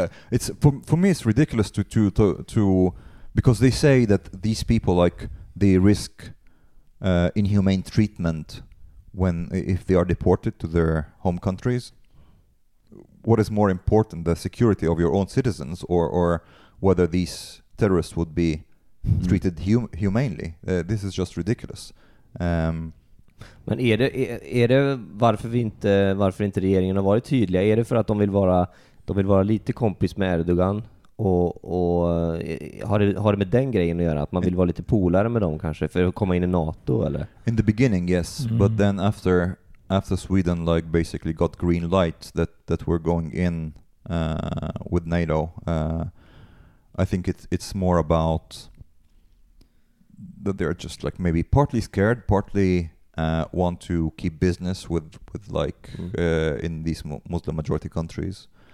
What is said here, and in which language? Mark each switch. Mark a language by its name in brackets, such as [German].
[English] It's for me, it's ridiculous to because they say that these people, like, they risk inhumane treatment when if they are deported to their home countries. What is more important, the security of your own citizens, or whether these terrorists would be treated humanely? This is just ridiculous. [Swedish] Men är det varför inte regeringen har varit tydliga? Är det för att de vill vara lite kompis med Erdogan, och har det med den grejen att göra, att man vill vara lite polare med dem kanske för att komma in i NATO, eller? [English] In the beginning, yes, but then after Sweden, like, basically got green light that we're going in with NATO, I think it's more about that they're just, like, maybe partly scared, partly want to keep business with like in these Muslim majority countries.